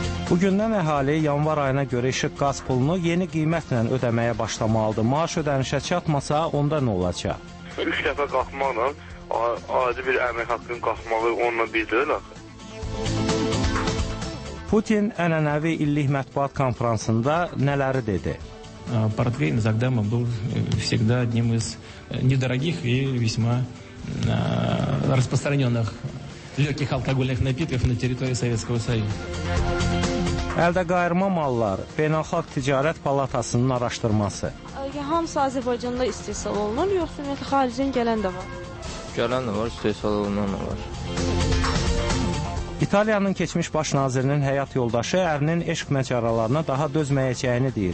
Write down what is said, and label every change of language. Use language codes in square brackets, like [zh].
[az] Bugündən əhali yanvar ayına görə işıq qaz pulunu yeni qiymətlə ödəməyə başlamalıdır. Maaş ödənişə çatmasa, onda nə olacaq? 3 dəfə qalxmaqla, adi bir əmək haqqın qalxmağı onunla bir deyil axı. Putin ənənəvi illik mətbuat konferansında nələri dedi? [ru] Portfeyn Zagdama был всегда одним из недорогих и весьма распространенных легких алкогольных напитков на территории Советского Союза. [az] Əldə qayırma mallar, Beynəlxalq Ticarət Palatasının araşdırması. Hamısı Azərbaycanda istehsal olunur, yoxsa ümumiyyətlə xaricdən gələn də var? Gələn də var, istehsal olunan da var. İtaliyanın keçmiş başnazirinin həyat yoldaşı ərinin eşq məcəralarına daha dözməyəcəyini deyir.